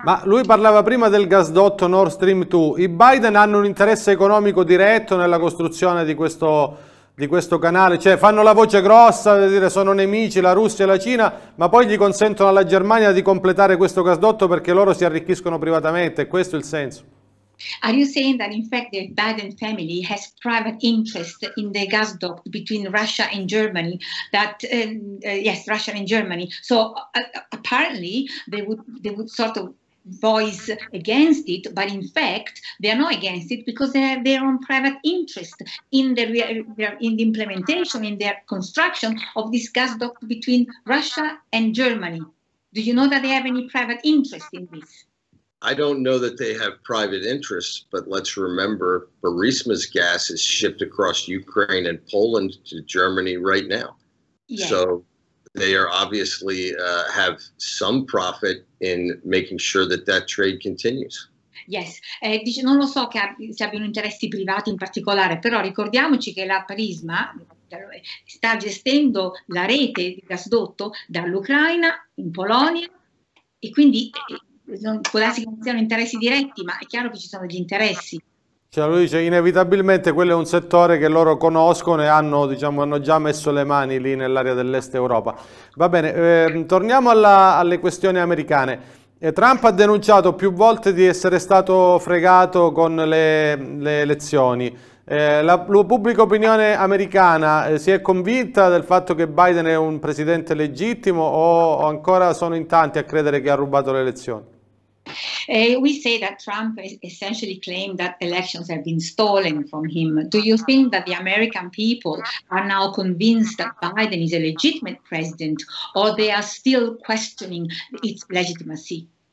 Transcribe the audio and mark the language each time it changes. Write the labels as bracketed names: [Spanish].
[Italian] ma lui parlava prima del gasdotto Nord Stream 2, i Biden hanno un interesse economico diretto nella costruzione di questo canale, cioè fanno la voce grossa, dire sono nemici la Russia e la Cina, ma poi gli consentono alla Germania di completare questo gasdotto perché loro si arricchiscono privatamente, questo è il senso. [English] Are you saying that in fact the Biden family has private interest in the gasdotto between Russia and Germany, that yes, Russia and Germany, so apparently they would sort of voice against it, but in fact they are not against it because they have their own private interest in the implementation, in their construction of this gas duct between Russia and Germany. Do you know that they have any private interest in this? I don't know that they have private interests, but let's remember Burisma's gas is shipped across Ukraine and Poland to Germany right now. Yes. So they are obviously have some profit in making sure that trade continues. [Italian] Yes, dice, non lo so che se abbiano interessi privati in particolare, però ricordiamoci che la Prisma sta gestendo la rete di gasdotto dall'Ucraina in Polonia e quindi può darsi che non siano interessi diretti, ma è chiaro che ci sono degli interessi. Cioè lui dice inevitabilmente quello è un settore che loro conoscono e hanno, diciamo, hanno già messo le mani lì nell'area dell'est Europa. Va bene, torniamo alle questioni americane. Trump ha denunciato più volte di essere stato fregato con le elezioni. La pubblica opinione americana si è convinta del fatto che Biden è un presidente legittimo o ancora sono in tanti a credere che ha rubato le elezioni? [English] We say that Trump essentially claimed that elections have been stolen from him. Do you think that the American people are now convinced that Biden is a legitimate president, or they are still questioning its legitimacy?